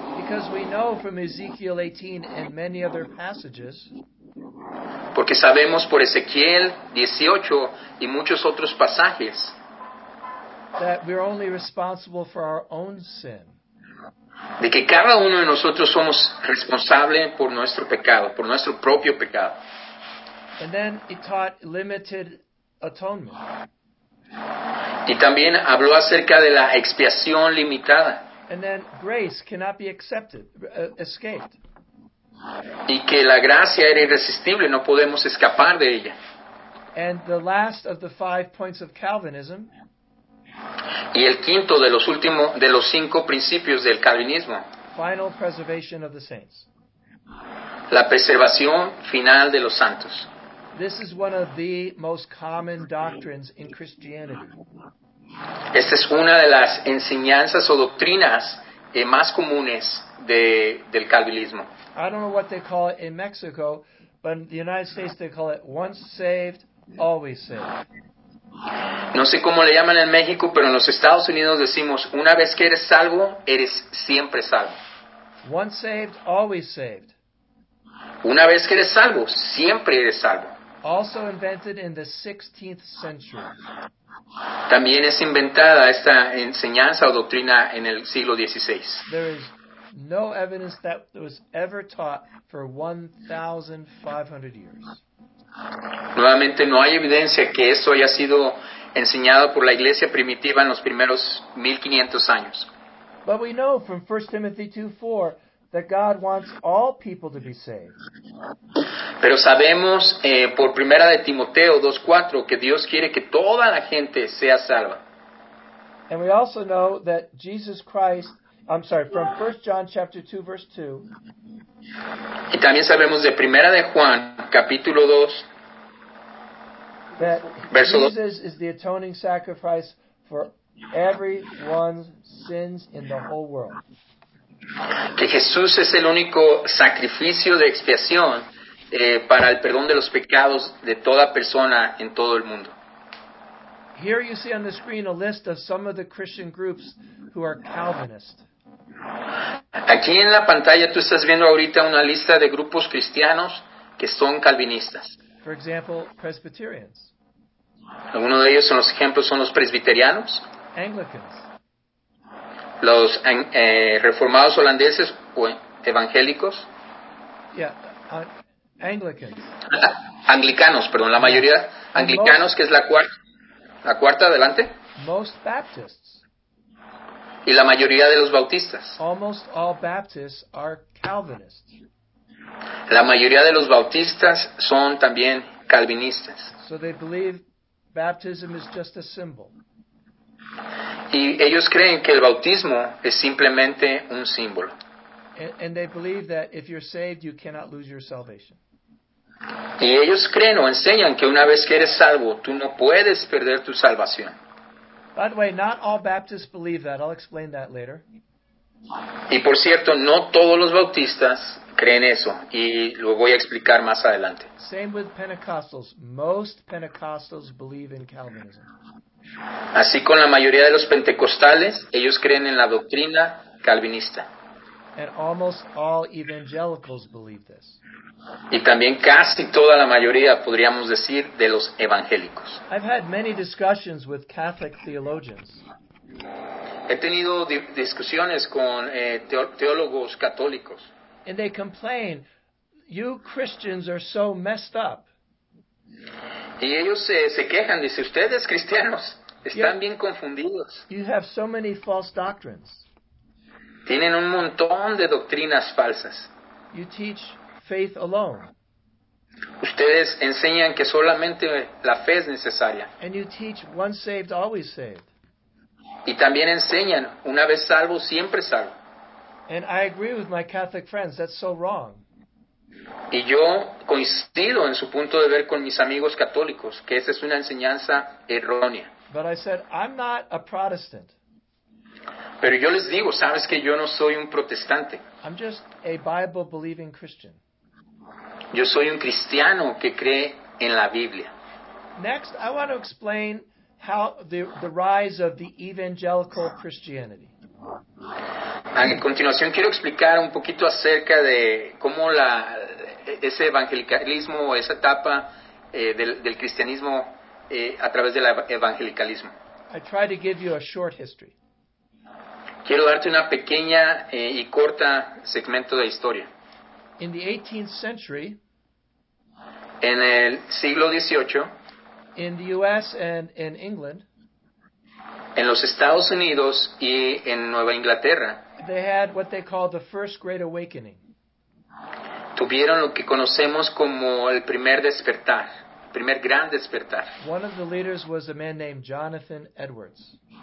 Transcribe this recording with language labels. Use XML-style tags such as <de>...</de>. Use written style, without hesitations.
<en>Because we know from Ezekiel 18 and many other passages.</en> <es>Porque sabemos por Ezequiel 18 y muchos otros pasajes.</es> <en>That we're only responsible for our own sin.</en> <es>De que cada uno de nosotros somos responsable por nuestro pecado, por nuestro propio pecado.</es> <en>And then he taught limited atonement.</en> <es>Y también habló acerca de la expiación limitada.</es> <en>And then grace cannot be accepted, escaped.</en> <es>Y que la gracia era irresistible, no podemos escapar de ella.</es> <en>And the last of the 5 points of Calvinism.</en> <es>Y el quinto de los últimos de los 5 principios del calvinismo.</es> <en>Final preservation of the saints.</en> <es>La preservación final de los santos.</es> <en>This is one of the most common doctrines in Christianity.</en> <es>Esta es una de las enseñanzas o doctrinas más comunes del calvinismo.</es> <en>I don't know what they call it in Mexico, but in the United States they call it once saved, always saved.</en> <es>No sé cómo le llaman en México, pero en los Estados Unidos decimos, una vez que eres salvo, eres siempre salvo.</es> <en>Once saved, always saved.</en> <es>Una vez que eres salvo, siempre eres salvo.</es> <en>Also invented in the 16th century.</en> <es>También es inventada esta enseñanza o doctrina en el siglo XVI.</es> <en>There is no evidence that was ever taught for 1,500 years.</en> <es>Nuevamente, no hay evidencia que esto haya sido enseñado por la iglesia primitiva en los primeros 1500 años.</es> <en>But we know from 1 Timothy 2:4 that God wants all people to be saved.</en> <es>Pero sabemos por 1 Timoteo 2:4 que Dios quiere que toda la gente sea salva.</es> <en>And we also know that Jesus Christ, I'm sorry, from 1 John chapter 2, verse 2.</en> <es>Y también sabemos de 1 de Juan, capítulo 2,</es> <en>that</en> <es>verso</es> <en>Jesus 2. Is the atoning sacrifice for everyone's sins in the whole world.</en> <es>Que Jesús es el único sacrificio de expiación para el perdón de los pecados de toda persona en todo el mundo.</es> <en>Here you see on the screen a list of some of the Christian groups who are Calvinist.</en> <es>Aquí en la pantalla tú estás viendo ahorita una lista de grupos cristianos que son calvinistas.</es> <en>For example, Presbyterians.</en> <es>Algunos de ellos en los ejemplos son los presbiterianos.</es> <en>Anglicans.</en> <es>Los reformados holandeses o evangélicos.</es> <en>Yeah, Anglicans.</en> <es>Anglicanos, perdón, la mayoría. Anglicanos, que es la cuarta adelante.</es> <en>Most Baptists.</en> <es>Y la mayoría de los bautistas.</es> <en>Almost all Baptists are Calvinists.</en> <es>La mayoría de los bautistas son también calvinistas.</es> <en>So they believe baptism is just a symbol.</en> <es>Y ellos creen que el bautismo es simplemente un símbolo.</es> <en>And they believe that if you're saved, you cannot lose your salvation.</en> <es>Y ellos creen o enseñan que una vez que eres salvo, tú no puedes perder tu salvación.</es> <en>By the way, not all Baptists believe that. I'll explain that later.</en> <es>Y por cierto, no todos los bautistas creen eso. Y lo voy a explicar más adelante.</es> <en>Same with Pentecostals. Most Pentecostals believe in Calvinism.</en> <es>Así con la mayoría de los pentecostales, ellos creen en la doctrina calvinista.</es> <en>And almost all evangelicals believe this.</en> <es>Y también casi toda la mayoría, podríamos decir, de los evangélicos.</es> <en>I've had many discussions with Catholic theologians.</en> <es>He tenido discusiones con teólogos católicos.</es> <en>And they complain, you Christians are so messed up.</en> <es>Y ellos se quejan, dice, ustedes cristianos están bien confundidos.</es> <en>You have so many false doctrines.</en> <es>Tienen un montón de doctrinas falsas.</es> <en>You teach faith alone.</en> <es>Ustedes enseñan que solamente la fe es necesaria.</es> <en>And you teach once saved, always saved.</en> <es>Y también enseñan una vez salvo, siempre salvo.</es> <en>And I agree with my Catholic friends, that's so wrong.</en> <es>Y yo coincido en su punto de ver con mis amigos católicos, que esa es una enseñanza errónea.</es> <en>But I said, I'm not a Protestant.</en> <es>Pero yo les digo, sabes que yo no soy un protestante.</es> <en>I'm just a Bible-believing Christian.</en> <es>Yo soy un cristiano que cree en la Biblia.</es> <en>Next, I want to explain how the rise of the evangelical Christianity.</en> <es>A continuación, quiero explicar un poquito acerca de cómo ese evangelicalismo, esa etapa del cristianismo a través del evangelicalismo.</es> <en>I try to give you a short history.</en> <es>Quiero darte una pequeña y corta segmento de historia.</es> <en>In the 18th century,</en> <es>en el siglo XVIII,</es> <en>in the US and in England,</en> <es>en los Estados Unidos y en Nueva Inglaterra,</es> <en>they had what they called the first great awakening.</en> <es>Tuvieron lo que conocemos como el primer despertar, el primer gran despertar.</es> <en>One of the leaders was a man named Jonathan Edwards.</en>